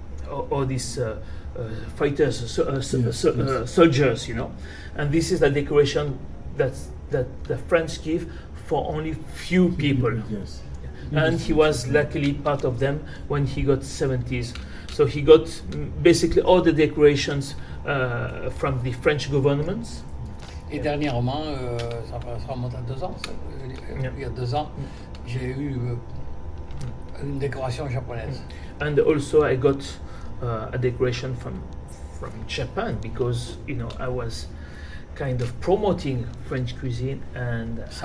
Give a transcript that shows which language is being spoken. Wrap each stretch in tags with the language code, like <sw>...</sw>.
<en>All these fighters, soldiers, you know, and this is the decoration that the French give for only few people. Yes, and he was luckily part of them when he got 70s. So he got basically all the decorations from the French government.</en> <fr>Et dernièrement, ça remonte à 2 ans. Il y a 2 ans, j'ai eu une décoration japonaise.</fr> <en>And also, I got. A decoration from Japan because you know I was kind of promoting French cuisine and</en>